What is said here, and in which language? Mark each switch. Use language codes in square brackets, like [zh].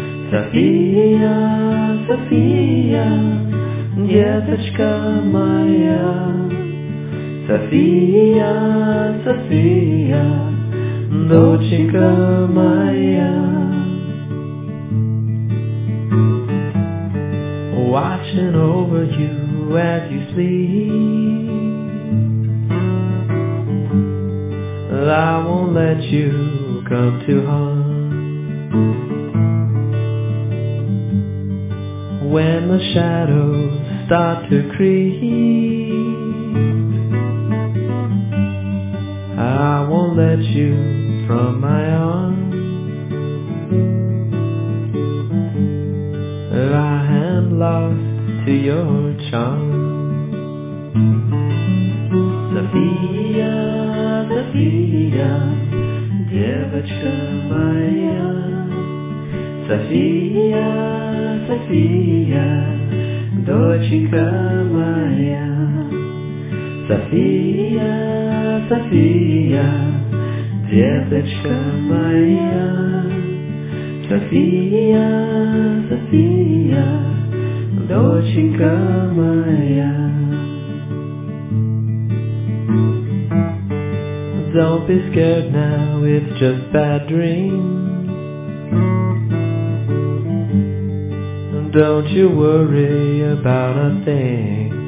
[ru] София, София, деточка моя. София, София, доченька моя. [en] Watching over you as you sleep, I won't let you come to harm. When the shadows start to creep, I won't let you from my arms. I am lost to your charm. [ru] Sophia, Sophia, девочка моя. София, София, доченька моя. София, София, деточка моя. София, София, доченька моя. [en] Don't be scared now, it's just bad dreams. Don't you worry about a thing.